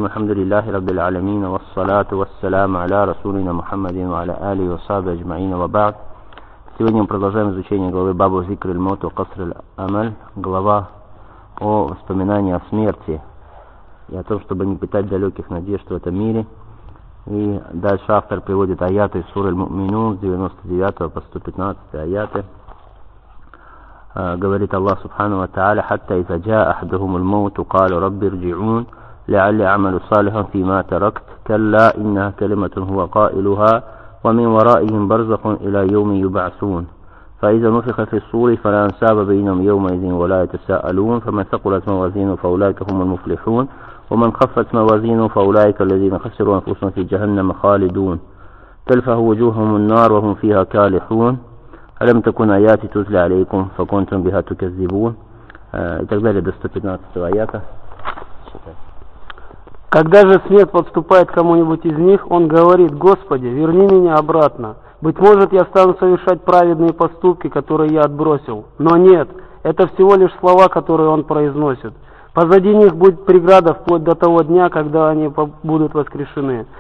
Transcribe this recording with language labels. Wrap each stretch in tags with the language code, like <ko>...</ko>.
<ar>الحمد لله رب العالمين والصلاة والسلام على رسولنا محمد وعلى آله وصحبه أجمعين وبعد.</ar> <ru>Сегодня мы продолжаем изучение главы Бабу Зикр аль-Мот ва Каср аль-Амаль, глава о воспоминании о смерти и о том, чтобы не питать далеких надежд в этом мире. И дальше автор приводит аяты из суры аль-Муминун с 99 по 115 аяты. Говорит Аллах Субхану ва Тааля:</ru> <ar>«Хатта иза джаа ахадухум аль-Мот, каалу Рабби ирджиун». لعلي أعمل صالحا فيما تركت كلا إنها كلمة هو قائلها ومن ورائهم برزخ إلى يوم يبعثون فإذا نفخ في الصور فلا أنساب بينهم يومئذ ولا يتساءلون فمن ثقلت موازينه فأولئك هم المفلحون ومن خفت موازينه فأولئك الذين خسروا أنفسهم في جهنم خالدون تلفه وجوههم النار وهم فيها كالحون ألم تكن آياتي تتلى عليكم فكنتم بها تكذبون تقبلت استفدنات آياتها.</ar> <ru>Когда же смерть подступает к кому-нибудь из них, он говорит: «Господи, верни меня обратно. Быть может, я стану совершать праведные поступки, которые я отбросил». Но нет, это всего лишь слова, которые он произносит. Позади них будет преграда вплоть до того дня, когда они будут воскрешены.</ru>